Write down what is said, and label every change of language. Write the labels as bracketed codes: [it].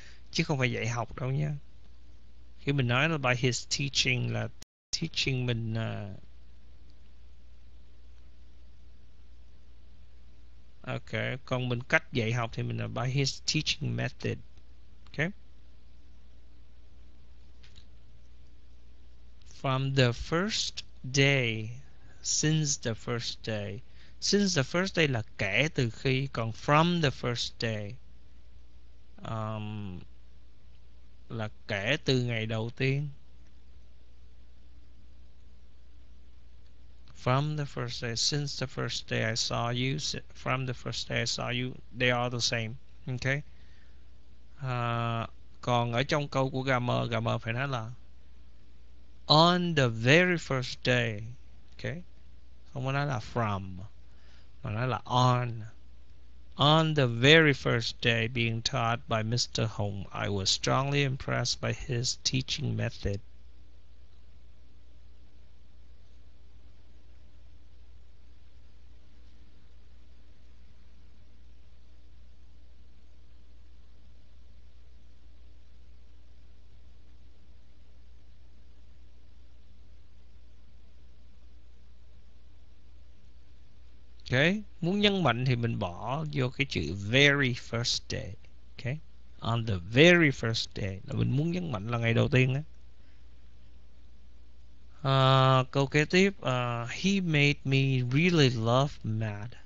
[vi] Chứ không phải dạy học đâu nha. Khi mình nói là [en] by his teaching [vi] là teaching mình Ok, còn mình cách dạy học thì mình là [en] by his teaching method. Ok. From the first day, since the first day. Since the first day [vi] là kể từ khi, còn [en] from the first day [vi] là kể từ ngày đầu tiên. [en] From the first day, since the first day I saw you, from the first day I saw you, they are the same. Okay. [vi] Còn ở trong câu của grammar, grammar phải nói là [en] on the very first day. [vi] Okay. Không có nói là from, mà nói là on. [en] On the very first day being taught by Mr. Hong, I was strongly impressed by his teaching method. Okay. [vi] Muốn nhấn mạnh thì mình bỏ vô cái chữ [en] very first day. [vi] Okay. [en] On the very first day [vi] là mình muốn nhấn mạnh là ngày đầu tiên đó. Câu kế tiếp, [en] he made me really love math.